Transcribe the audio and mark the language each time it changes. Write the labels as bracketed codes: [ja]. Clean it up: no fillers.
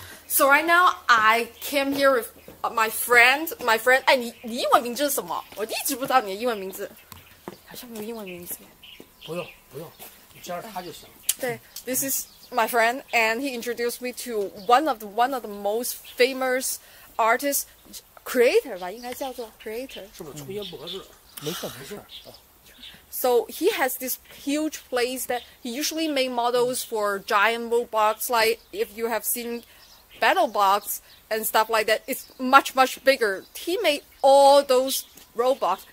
[en] So right now, I came here with my friend. [zh] 哎，你英文名字是什么？我一直不知道你的英文名字，好像没有英文名字。不用，不用，你叫他就行了。对, [en] this is my friend, and he introduced me to one of the most famous artists, creator [zh] 吧，应该叫做 creator. 是不是抽烟脖子？没事，没事。 [en] So he has this huge place that he usually make models for giant robots. Like if you have seen. Battle box and stuff like that. It's much, much bigger. He made all those robots.